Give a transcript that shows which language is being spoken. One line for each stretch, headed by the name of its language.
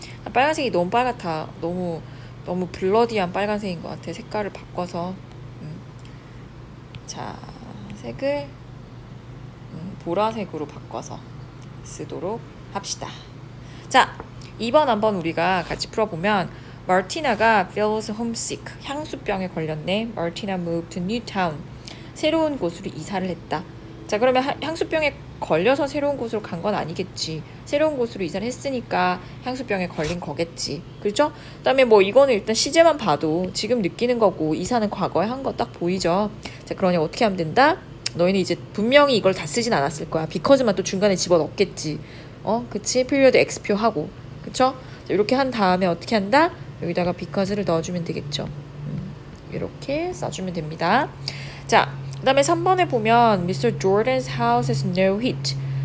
Korean: 아, 빨간색이 너무 빨갛다. 너무 너무 블러디한 빨간색인 것 같아. 색깔을 바꿔서. 자, 색을 보라색으로 바꿔서 쓰도록 합시다. 자, 2번, 3번 우리가 같이 풀어보면. 마르티나가
English: feels homesick.
Korean: 향수병에 걸렸네. 마르티나
English: moved to new town.
Korean: 새로운 곳으로 이사를 했다. 자, 그러면 향수병에 걸려서 새로운 곳으로 간건 아니겠지. 새로운 곳으로 이사를 했으니까 향수병에 걸린 거겠지. 그죠? 그다음에 뭐 이거는 일단 시제만 봐도 지금 느끼는 거고 이사는 과거에 한거딱 보이죠. 자, 그러니 어떻게 하면 된다? 너희는 이제 분명히 이걸 다 쓰진 않았을 거야. because만 또 중간에 집어넣겠지. 어? 그치? period expo 하고. 그쵸? 자, 이렇게 한 다음에 어떻게 한다? 여기다가 because를 넣어주면 되겠죠. 이렇게 써주면 됩니다. 자, 그 다음에 3번에 보면 Mr.
English: Jordan's house has no heat.